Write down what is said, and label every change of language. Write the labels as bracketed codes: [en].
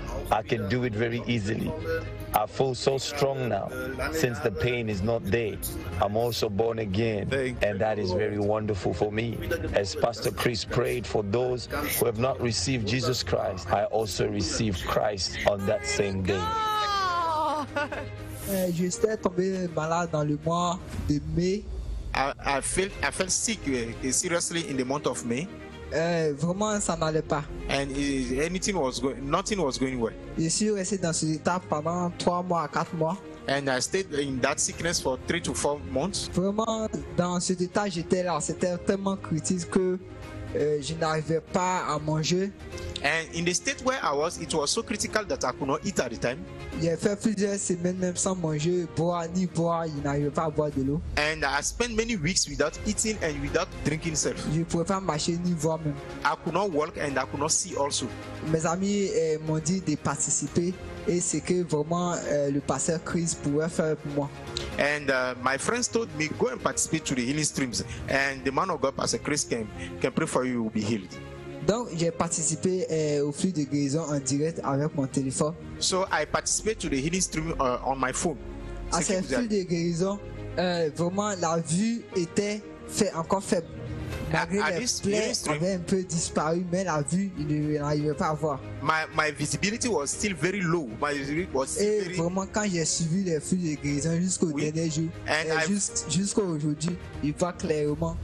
[en] I can do it very easily. I feel so strong now, since the pain is not there. I'm also born again, and that is very wonderful for me. As Pastor Chris prayed for those who have not received Jesus Christ, I also received Christ on that same day. [fr] J'étais tombé malade dans le mois de mai. [en] I felt sick seriously in the month of May. [fr] Vraiment ça n'allait pas. [en] Nothing was going well. [fr] Je suis resté dans ce état pendant 3 mois à 4 mois. [en] And I stayed in that sickness for 3 to 4 months. [fr] Vraiment dans ce état j'étais là, c'était tellement critique que je n'arrivais pas à manger. [en] And in the state where I was, it was so critical that I could not eat at the time. [fr] J'ai fait plusieurs semaines même sans manger, boire, je n'arrivais pas à boire de l'eau. [en] And I spent many weeks without eating and without drinking self. [fr] Je ne pouvais pas marcher ni voir même. [en] I could not walk and I could not see also. [fr] Mes amis m'ont dit de participer et ce que vraiment le pasteur Chris pouvait faire pour moi. [en] And my friends told me, go and participate to the healing streams and the man of God, Pastor Chris, can pray for you, you will be healed. [fr] Donc j'ai participé au flux de guérison en direct avec mon téléphone. [en] So I participated to the healing stream on my phone. [fr] À ce flux de guérison, vraiment la vue était encore faible. Malgré les plaies, avait un peu disparu, mais la vue, il n'arrivait pas à voir. [en] My visibility was still very low. My visibility was still [fr] et [en] very... [fr] vraiment quand j'ai suivi les flux de guérison jusqu'au dernier jour, jusqu'à aujourd'hui, il voit clairement.